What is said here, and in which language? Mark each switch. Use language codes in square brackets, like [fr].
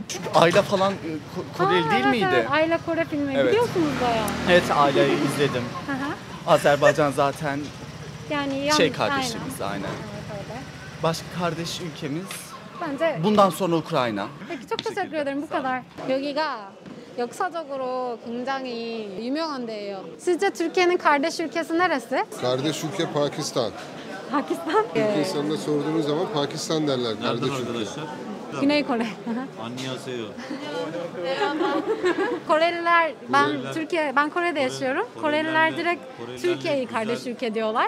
[tr] Çünkü Ayla falan Koreli değil evet, miydi? Evet. Ayla Kore filmi. Evet. Biliyorsunuz bayağı. Evet, Ayla'yı izledim. Azerbaycan zaten yani şey kardeşimiz aynen. Evet, öyle. Başka kardeş ülkemiz? Bence. Bundan sonra Ukrayna. Peki çok teşekkür ederim. Bu kadar. [ko] Yogi'ga. 역사적으로 굉장히 유명한 데예요. 실제 [tr] Türkiye'nin kardeş ülkesi neresi? Kardeş ülke Pakistan. Pakistan? Türk insanına sorduğunuz zaman Pakistan derler. Nereden kardeş arkadaşlar? Ülke. Güney Kore. [ko] Annyeonghaseyo. [tr] Koreliler, ben Türkiye, ben Kore'de yaşıyorum. Koreliler direkt Türkiye'yi kardeş ülke diyorlar.